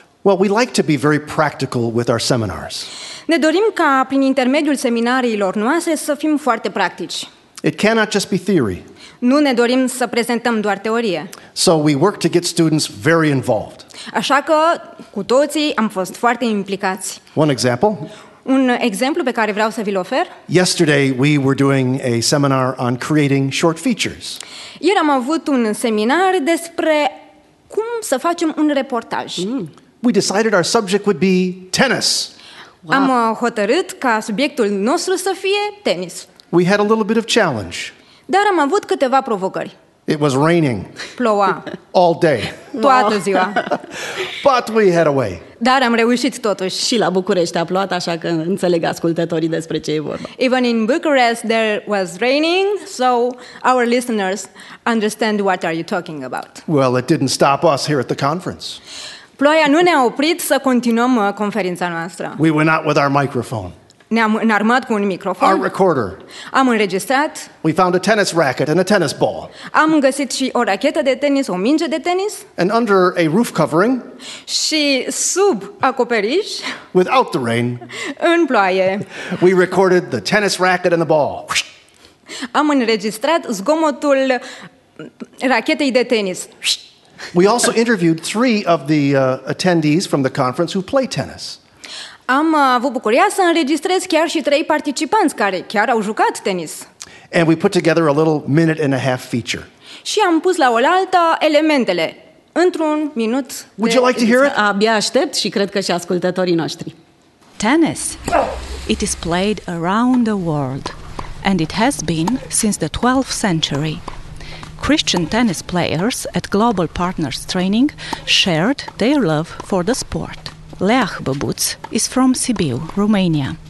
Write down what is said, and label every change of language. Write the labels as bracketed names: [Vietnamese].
[English] Well, we like to be very practical with our seminars. [Romanian] Ne dorim ca prin intermediul seminariilor noastre să fim foarte practici. [English] It cannot just be theory. [Romanian] Nu ne dorim să prezentăm doar teorie. [English] So we work to get students very involved. [Romanian] Așa că cu toții am fost foarte implicați. [English] One example? [Romanian] Un exemplu pe care vreau să vi-l ofer. [English] Yesterday we were doing a seminar on creating short features. [Romanian] Ieri am avut un seminar despre cum să facem un reportaj. [English] We decided our subject would be tennis. Wow. [Romanian] Am hotărât ca subiectul nostru să fie tenis. [English] We had a little bit of challenge. [Romanian] Dar am avut câteva provocări. [English] It was raining. [Romanian] Ploua. [English] All day. [Romanian] Toată ziua. [English] But we had a way. [Romanian] Dar am reușit totuși. Și la București a plouat, așa că înțeleg ascultătorii despre ce e vorba. [English] Even in Bucharest there was raining, so our listeners understand what are you talking about. Well, it didn't stop us here at the conference. [Romanian] Ploaia nu ne-a oprit să continuăm conferința noastră. [English] We went out with our microphone. [Romanian] Ne-am înarmat cu un microfon. [English] Our recorder. [Romanian] Am înregistrat. [English] We found a tennis racket and a tennis ball. [Romanian] Am găsit și o rachetă de tenis, o minge de tenis. [English] And under a roof covering. [Romanian] Și sub acoperiș. [English] Without the rain. [Romanian] În ploaie. [English] We recorded the tennis racket and the ball. [Romanian] Am înregistrat zgomotul rachetei de tenis. [English] We also interviewed three of the attendees from the conference who play tennis. [Romanian] Am avut bucuria să înregistrez chiar și trei participanți care chiar au jucat tenis. [English] And we put together a little minute and a half feature. [Romanian] Și am pus la oaltă elementele într-un minut. [English] Would you like to hear it? [Romanian] Abia aștept și cred că și ascultătorii noștri. [English] Tennis. It is played around the world and it has been since the 12th century. Christian tennis players at Global Partners Training shared their love for the sport. Leah Băbuț is from Sibiu, Romania.